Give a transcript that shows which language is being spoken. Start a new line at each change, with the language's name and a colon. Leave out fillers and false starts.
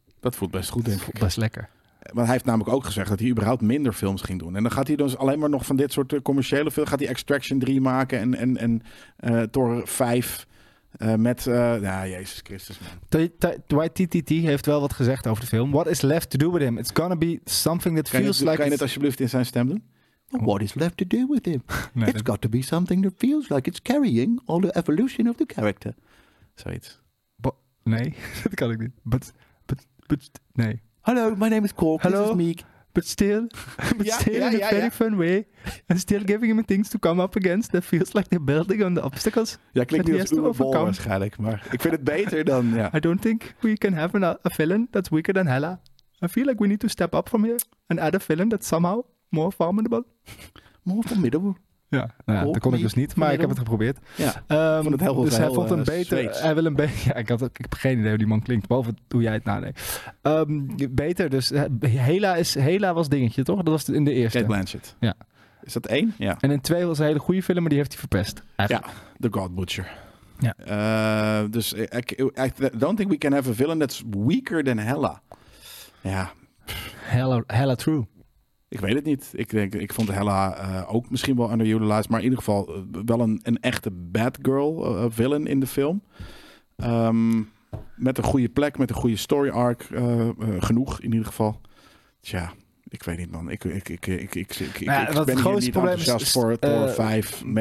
Dutch: Dat voelt best goed, denk ik. Best lekker. Want hij heeft namelijk ook gezegd dat hij überhaupt minder films ging doen. En dan gaat hij dus alleen maar nog van dit soort commerciële films... Gaat hij Extraction 3 maken en Thor 5... Jezus Christus. YTTT heeft wel wat gezegd over de film.
English: What is left to do with him? It's gonna be something that feels like... Kan je het alsjeblieft in zijn stem doen? What is left to do with him? Nee, it's got to be something that feels like it's carrying all the evolution of the character.
Dutch: Zoiets. Nee, dat kan ik niet. But, nee.
English: Hello, my name is Cork. Hello. This is Meek. But still, in a very fun way. And still giving him things to come up against. That feels like they're building on the obstacles.
Dutch: Ja, klinkt niet als Uwe Bol waarschijnlijk. Maar ik vind het beter dan...
English: Yeah. I don't think we can have a villain that's weaker than Hela. I feel like we need to step up from here. And add a villain that's somehow more formidable. More formidable.
Dutch: Ja, nou ja, dat kon ik dus niet. Maar ik heb het geprobeerd. Ja, Vond het heel goed. Dus hij vond een beter... Zweeds. Hij wil een beetje... Ja, ik heb geen idee hoe die man klinkt. Behalve hoe jij het nadenkt. Beter dus. Hela was dingetje, toch? Dat was in de eerste. Cate Blanchett. Ja. Is dat één? Ja. En in twee was een hele goede film, maar die heeft hij verpest. Eigenlijk. Ja, The God Butcher. Ja.
English: Dus I don't think we can have a villain that's weaker than Hela.
Dutch: Ja.
English: Hela true.
Dutch: Ik weet het niet. Ik vond Hela ook misschien wel underutilized. Maar in ieder geval wel een echte bad girl villain in de film. Met een goede plek, met een goede story arc. Genoeg in ieder geval. Tja, ik weet niet man. Ik ben hier niet enthousiast voor Thor 5.